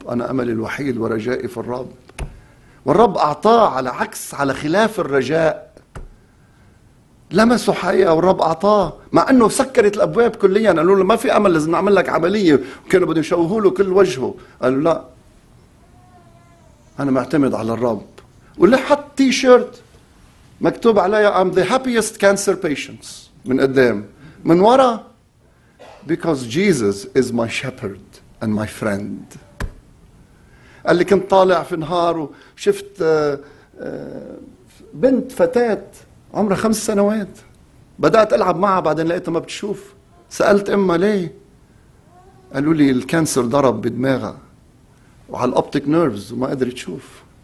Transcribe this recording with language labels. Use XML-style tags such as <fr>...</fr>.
<ar>أنا أملي الوحيد ورجائي في الرب، والرب أعطاه على عكس، على خلاف الرجاء، لمسه حقيقة والرب أعطاه، مع أنه سكرت الأبواب كليا. قالوا له ما في أمل، لازم نعمل لك عملية، وكانوا بدهم يشوهوا له كل وجهه. قالوا لا، أنا معتمد على الرب. واللي حط تي شيرت مكتوب عليها</ar> <en>I'm the happiest cancer patients،</en> <ar>من قدام من ورا</ar> <en>because Jesus is my shepherd and my friend.</en> <ar>قال لي كنت طالع في نهار وشفت بنت، فتاة عمرها 5 سنوات، بدأت ألعب معها، بعدين لقيتها ما بتشوف. سألت أمها ليه، قالوا لي الكانسر ضرب بدماغها وعلى الأوبتيك نيرفز وما قدر تشوف.</ar>